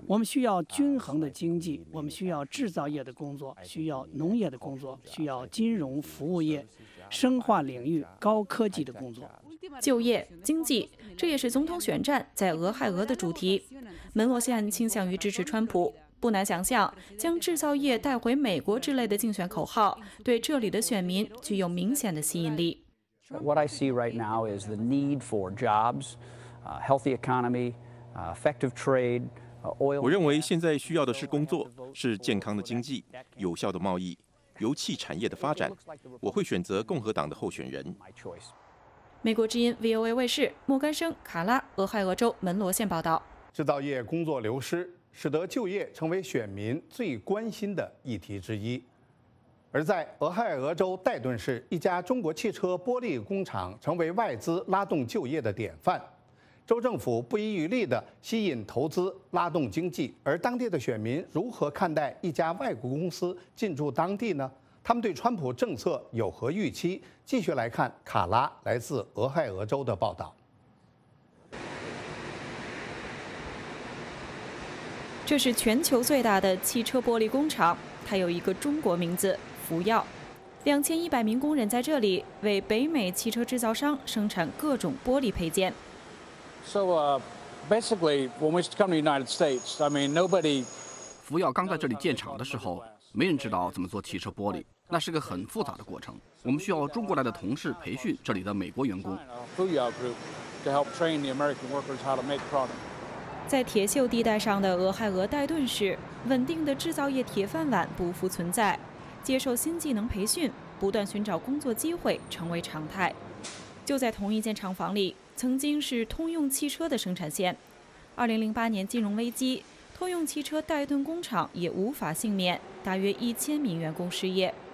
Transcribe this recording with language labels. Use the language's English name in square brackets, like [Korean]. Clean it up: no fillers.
[Chinese] 我们需要均衡的经济，我们需要制造业的工作，需要农业的工作，需要金融服务业、生化领域、高科技的工作。就业、经济，这也是总统选战在俄亥俄的主题。门罗县倾向于支持川普，不难想象，将制造业带回美国之类的竞选口号，对这里的选民具有明显的吸引力。 [English] What I see right now is the need for jobs, healthy economy. Effective trade, oil. [Chinese] 我认为现在需要的是工作，是健康的经济，有效的贸易，油气产业的发展。我会选择共和党的候选人。美国之音 VOA 卫视莫甘生卡拉俄亥俄州门罗县报道。制造业工作流失，使得就业成为选民最关心的议题之一。而在俄亥俄州戴顿市，一家中国汽车玻璃工厂成为外资拉动就业的典范。州政府不遗余力地吸引投资，拉动经济，而当地的选民如何看待一家外国公司进驻当地呢？他们对川普政策有何预期？继续来看卡拉来自俄亥俄州的报道。这是全球最大的汽车玻璃工厂，它有一个中国名字——福耀。 2100名工人在这里为北美汽车制造商生产各种玻璃配件。 [English] So basically, when we come to the United States, I mean, nobody. [Chinese] 福耀刚在这里建厂的时候，没人知道怎么做汽车玻璃，那是个很复杂的过程。我们需要中国来的同事培训这里的美国员工。 [English] Fuyao Group to help train the American workers how to make product. [Chinese] 在铁锈地带上的俄亥俄戴顿市，稳定的制造业铁饭碗不复存在，接受新技能培训，不断寻找工作机会成为常态。就在同一间厂房里。曾经是通用汽车的生产线，2008年金融危机，通用汽车戴顿工厂也无法幸免，大约1000名员工失业。